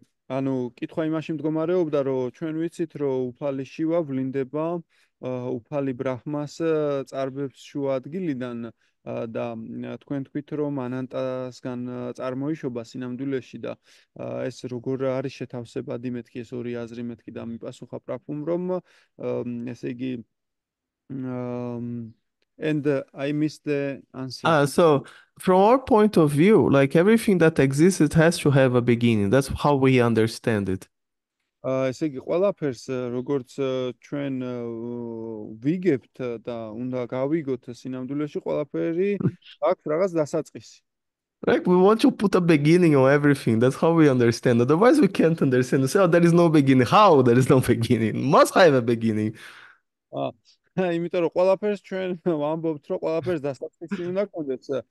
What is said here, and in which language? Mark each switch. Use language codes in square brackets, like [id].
[ka] ანუ კითხვა იმაში მდგომარეობდა, რომ ჩვენ ვიცით, რომ უფალი შივა ვლინდება უფალი ბრაჰმას წარბებს შუა ადგილიდან და თქვენ თქვით, რომ ანანტასგან წარმოიშობა სინამდვილეში და ეს როგორ არის შეთავსება დიმეთქი, ეს ორი აზრი მეთქი და მიპასუხა პრაფუმ, რომ ესე იგი [en] and I missed the answer. So from our point of view, like everything that exists, it has to have a beginning. That's how we understand it. [ka] Ესე იგი, ყველაფერს, როგორც ჩვენ ვიგებთ და უნდა გავიგოთ სინამდვილეში, ყველაფერი აქვს რაღაც დასაწყისი. [en] Right, we want to put a beginning on everything. That's how we understand. Otherwise, we can't understand. So there is no beginning. How there is no beginning? Must have a beginning. [ka] იმიტომ რომ ყველაფერს ჩვენ ვამბობთ, რომ ყველაფერს დასაწყისი უნდა ქონდეს.